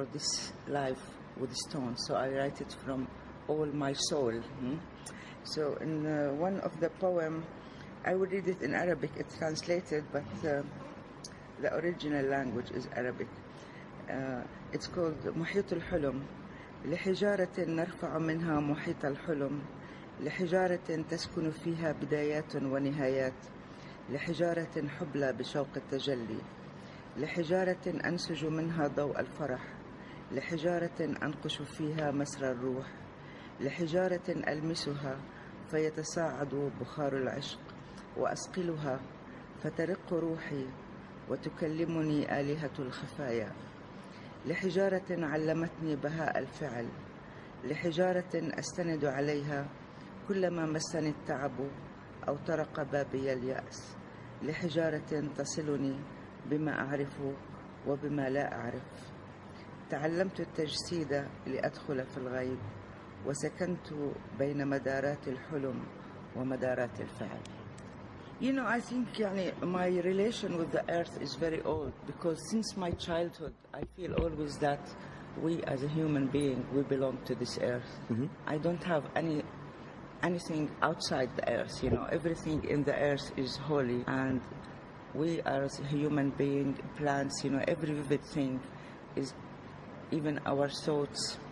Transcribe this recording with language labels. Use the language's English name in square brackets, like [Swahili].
[English] or this life with stone. So I write it from all my soul. Mm-hmm. So in one of the poem, I would read it in Arabic. It's translated, but the original language is Arabic. It's called Muhit al-Hulum. [Arabic] لحجارة نرفع منها محيط الحلم لحجارة تسكن فيها بدايات ونهايات لحجارة حبلى بشوق التجلي لحجارة أنسج منها ضوء الفرح لحجارة أنقش فيها مسر الروح لحجارة ألمسها فيتصاعد بخار العشق وأسقلها فترق روحي وتكلمني آلهة الخفايا لحجارة علمتني بهاء الفعل لحجارة أستند عليها كلما مسني التعب أو طرق بابي اليأس لحجارة تصلني بما أعرف وبما لا أعرف تعلمت التجسيد لأدخل في الغيب وسكنت بين مدارات الحلم ومدارات الفعل. [English] You know, I think my relation with the earth is very old, because since my childhood, I feel always that we as a human being, we belong to this earth. Mm-hmm. I don't have anything outside the earth, everything in the earth is holy, and we as a human being, plants, every vivid thing is even our thoughts.